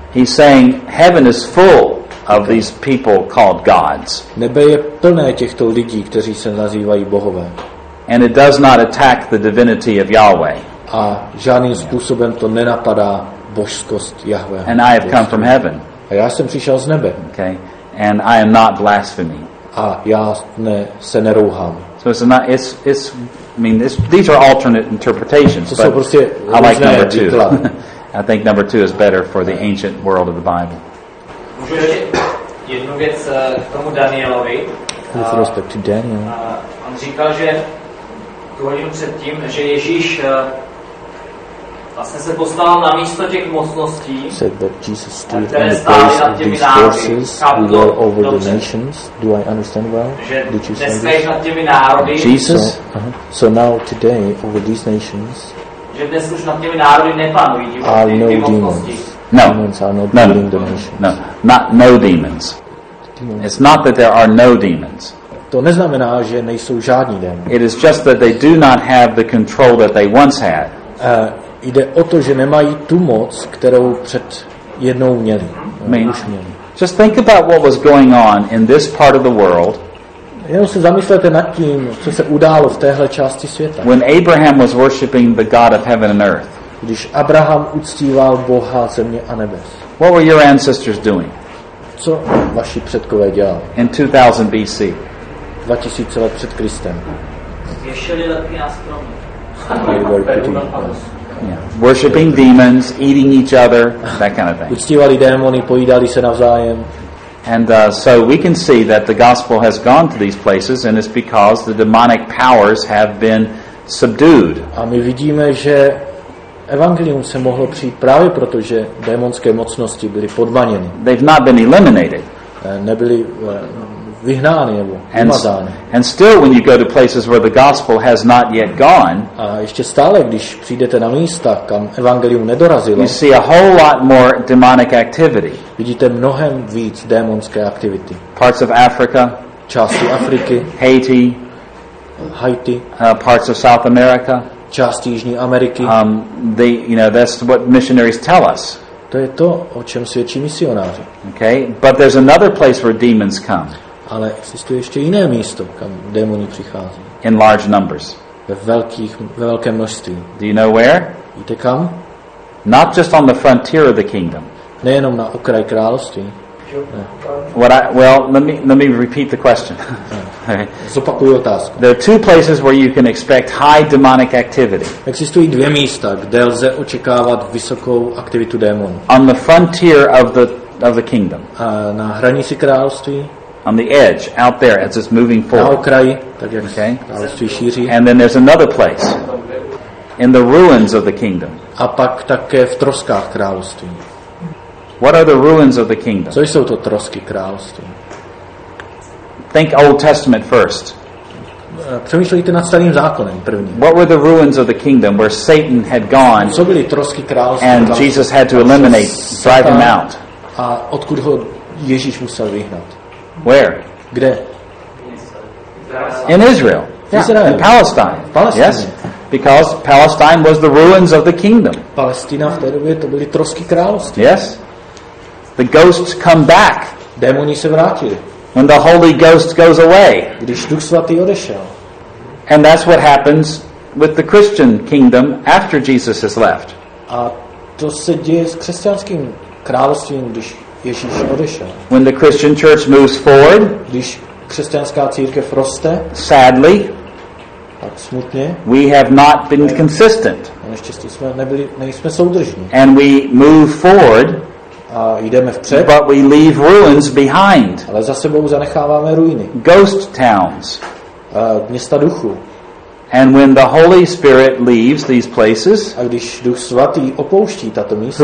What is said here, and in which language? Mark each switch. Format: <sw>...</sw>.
<en>He's saying heaven is full of these people called gods.</en> <cs>Nebe je plné těchto lidí, kteří se nazývají bohové.</cs> <en>And it does not attack the divinity of Yahweh.</en> <cs>A žádným způsobem to nenapadá božskost Jahve.</cs> <en>And I have come from heaven.</en> <cs>A já jsem přišel z nebe.</cs> <en>Okay. And I am not blaspheming.</en> <cs>A já se nerouhám.</cs> <en>So it's these are alternate interpretations.</en> <cs>To jsou prostě</cs> <en>I like number two. I think number two is better for the ancient world of the Bible.</en> <cs>Můžu ještě jednu věc k tomu Danielovi.</cs> <en>With respect to Daniel.</en> <cs>On říkal, že tu hodinu předtím, že Ježíš vlastně se postavil na místo těch mocností,</cs> <en>said that Jesus stood on the place of these forces who were over the nations. Do I understand well? Did you say this? Jesus? So now today, over these nations,</en> <cs>že dnes už nad těmi národy nepanují,</cs> <en>are no demons. Demons are not ruling the nations. No, not no demons. It's not that there are no demons.</en> <cs>To neznamená, že nejsou žádní démoni.</cs> <en>It is just that they do not have the control that they once had. Jde o to, že nemají tu moc, kterou před jednou měli. Měli. Just think about what was going on in this part of the world.</en> <cs>Jenom se zamyslete nad tím, co se událo v téhle části světa.</cs> <en>When Abraham was worshiping the God of heaven and earth.</en> <cs>Když Abraham uctíval Boha země a nebes.</cs> <en>What were your ancestors doing?</en> <cs>Co vaši předkové dělali?</cs> <en>In 2000 BC.</en> <cs>2000 let před Kristem. Ješeli lepší na stromě.</cs> <en>Yeah. Worshipping demons, eating each other, that kind of thing.</en> <cs>Uctívali démony, pojídali se navzájem.</cs> <en>And so we can see that the gospel has gone to these places and it's because the demonic powers have been subdued.</en> <cs>A my vidíme, že evangelium se mohlo přijít právě proto, že démonské mocnosti byly podmaněny.</cs> <en>They've not been eliminated.</en> <cs>Nebyly vyhnány nebo vymazány.</cs> <en>And still when you go to places where the gospel has not yet gone,</en> <cs>a ještě stále, když přijdete na místa, kam evangelium nedorazilo,</cs> <en>you see a whole lot more demonic activity.</en> <cs>Vidíte mnohem víc démonské aktivity.</cs> <en>Parts of Africa,</en> <cs>části Afriky,</cs> <en>Haiti, parts of South America,</en> <cs>části Jižní Ameriky.</cs> <en>That's what missionaries tell us.</en> <cs>To je to, o čem svědčí misionáři.</cs> <en>Okay, but there's another place where demons come.</en> <cs>Ale existuje ještě jiné místo, kam démoni přichází.</cs> <en>In large numbers.</en> <cs>Ve velkém množství.</cs> <en>Do you know where?</en> <cs>Víte kam?</cs> <en>Not just on the frontier of the kingdom.</en> <cs>Nejenom na okraj království.</cs> <en>Let me repeat the question.</en> <cs>Zopakuju otázku.</cs> <en>There are two places where you can expect high demonic activity.</en> <cs>Existují dvě místa, kde lze očekávat vysokou aktivitu démonů.</cs> <en>On the frontier of the kingdom.</en> <cs>Na hranici království.</cs> <en>On the edge, out there, as it's moving forward.</en> <cs>Na okraji, tak jak království šíří.</cs> <en>And then there's another place, in the ruins of the kingdom.</en> <cs>A pak také v troskách království.</cs> <en>What are the ruins of the kingdom?</en> <cs>Co jsou to trosky království?</cs> <en>Think Old Testament first.</en> <cs>Přemýšlejte nad starým zákonem první.</cs> <en>What were the ruins of the kingdom where Satan had gone?</en> <cs>Co byly trosky království?</cs> <en>And Jesus had to eliminate, drive him out.</en> <cs>A odkud ho Ježíš musel vyhnat?</cs> <en>Where?</en> <cs>Kde?</cs> <en>In Israel. Yeah. In Palestine. Palestine. Yes. Because Palestine was the ruins of the kingdom.</en> <cs>Palestina v té době to byly trosky království.</cs> <en>Yes. The ghosts come back.</en> <cs>Démoni se vrátili.</cs> <en>When the Holy Ghost goes away.</en> <cs>Když Duch svatý odešel.</cs> <en>And that's what happens with the Christian kingdom after Jesus has left.</en> <cs>A to se děje s křesťanským královstvím, když Ježíš odešel.</cs> <en>When the Christian church moves forward,</en> <cs>když křesťanská církev roste,</cs> <en>sadly,</en> <cs>tak smutně,</cs> <en>we have not been consistent.</en> <cs>Naštěstí jsme nebyli, nejsme soudržní.</cs> <en>And we move forward,</en> <cs>a jdeme vpřed,</cs> <en>but we leave ruins behind.</en> <cs>Ale za sebou zanecháváme ruiny.</cs> <en>Ghost towns.</en> <cs>Města duchu.</cs> <en>And when the Holy Spirit leaves these places,</en> <cs>a když Duch svatý opouští tato místa,</cs>